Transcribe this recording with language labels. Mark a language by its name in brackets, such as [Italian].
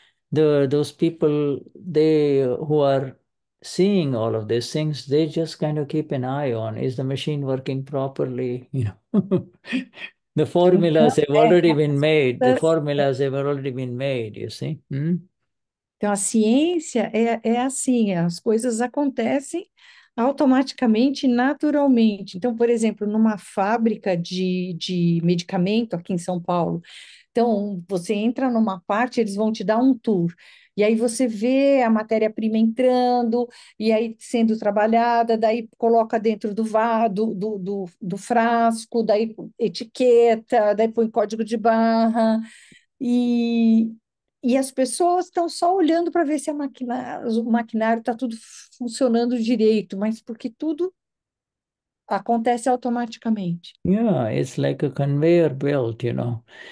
[English] Those people, they who are seeing all of these things, they just kind of keep an eye on, is the machine working properly? You know, the [Portuguese] Então, [English] formulas have already been made. The formulas have already been made, you see. [Portuguese] a ciência é assim, as coisas acontecem automaticamente, naturalmente. Então, por exemplo, numa fábrica de medicamento aqui em São Paulo, então você entra numa parte, eles vão te dar um tour, e aí você vê a matéria-prima entrando, e aí sendo trabalhada, daí coloca dentro do vaso, do frasco, daí etiqueta, daí põe código de barra, e as pessoas estão só olhando para ver se o maquinário está tudo funcionando direito, mas porque tudo acontece automaticamente. [English] Yeah, it's like a conveyor belt, you know.